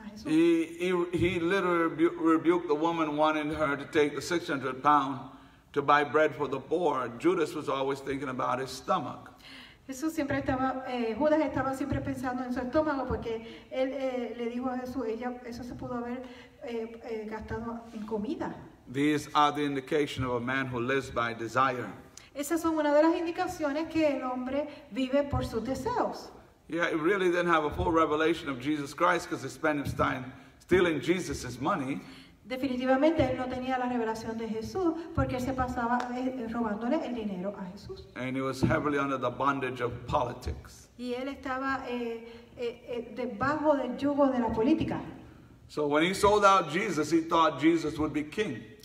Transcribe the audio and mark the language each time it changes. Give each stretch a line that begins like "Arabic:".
English: He literally rebuked the woman wanting her to take the 600 pound to buy bread for the poor. Judas was always thinking about his stomach.
Spanish: Jesús siempre estaba, Judas estaba siempre pensando en su estómago porque él le dijo a Jesús, eso se pudo haber gastado en comida.
English: These are the indication of a man who lives by desire.
Spanish: Esas son una de las indicaciones que el hombre vive por sus deseos.
English: Yeah, he really didn't have a full revelation of Jesus Christ because he spent his time stealing Jesus' money.
Spanish: Definitivamente, él no tenía la revelación de Jesús porque él se pasaba robándole el dinero a Jesús.
English: And he was heavily under the bondage of politics.
Spanish: Y él estaba debajo del yugo de la política.
English: So when he sold out Jesus, he thought Jesus would be king.